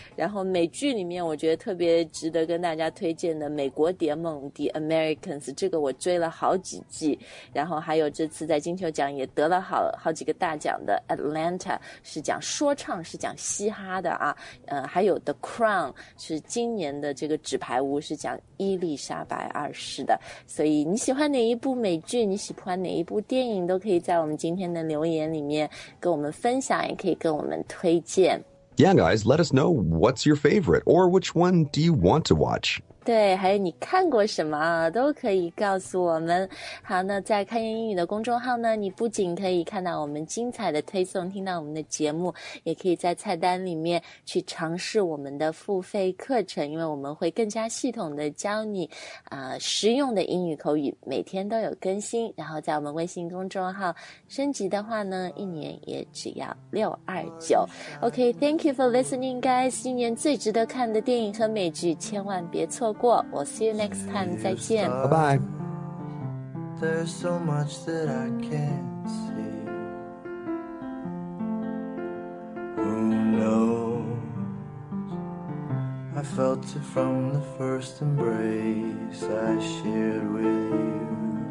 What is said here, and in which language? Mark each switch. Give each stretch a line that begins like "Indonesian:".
Chinese: 然后美剧里面我觉得特别值得跟大家推荐的美国谍梦 The Americans， 这个我追了好几季，然后还有这次在金球奖也得了好几个大奖的 Atlanta， 是讲说唱，是讲嘻哈的啊，还有 The Crown 是今年的这个纸牌屋，是讲伊丽莎白二世的。所以你喜欢哪一部美剧，你喜欢哪一部电影，都可以在我们今天的留言里面跟我们分享，也可以跟我们推荐。
English: Yeah, guys, let us know what's your favorite or which one do you want to watch?
Chinese: 对，还有你看过什么都可以告诉我们。好，那在开言英语的公众号呢，你不仅可以看到我们精彩的推送，听到我们的节目，也可以在菜单里面去尝试我们的付费课程，因为我们会更加系统的教你实用的英语口语，每天都有更新。然后在我们微信公众号升级的话呢，一年也只要629。
English: OK, thank you for listening, guys.
Chinese: 今年最值得看的电影和美剧千万别错过。
English: 我 see you next time,
Chinese: 再见。
English: Bye bye. There's so much that I can't see. Who knows? I felt it from the first embrace I shared with you.